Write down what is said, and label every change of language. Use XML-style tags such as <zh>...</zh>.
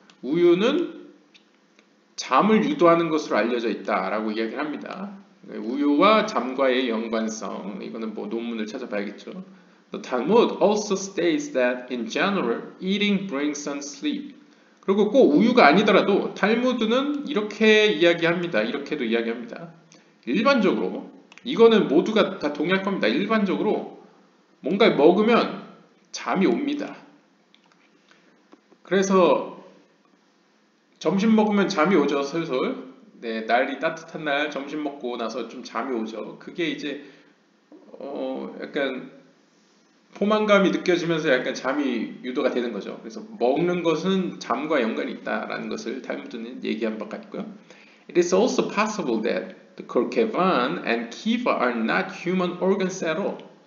<ko>우유는 잠을 유도하는 것으로 알려져 있다라고 이야기합니다. 우유와 잠과의 연관성. 이거는 뭐 논문을 찾아봐야겠죠.</ko> <en>The Talmud also states that in general, eating brings on sleep.</en> <ko>그리고 꼭 우유가 아니더라도 탈무드는 이렇게 이야기합니다. 이렇게도 이야기합니다. 일반적으로 이거는 모두가 다 동의할 겁니다. 일반적으로 뭔가 먹으면 잠이 옵니다. 그래서 점심 먹으면 잠이 오죠. 슬슬. 네, 날이 따뜻한 날 점심 먹고 나서 좀 잠이 오죠. 그게 이제 약간 포만감이 느껴지면서 약간 잠이 유도가 되는 거죠. 그래서 먹는 것은 잠과 연관이 있다라는 것을 탈무드는 얘기한 바 같고요.</ko> <en>It is also possible that the Kurkevan and Kiva are not human organs at all.</en>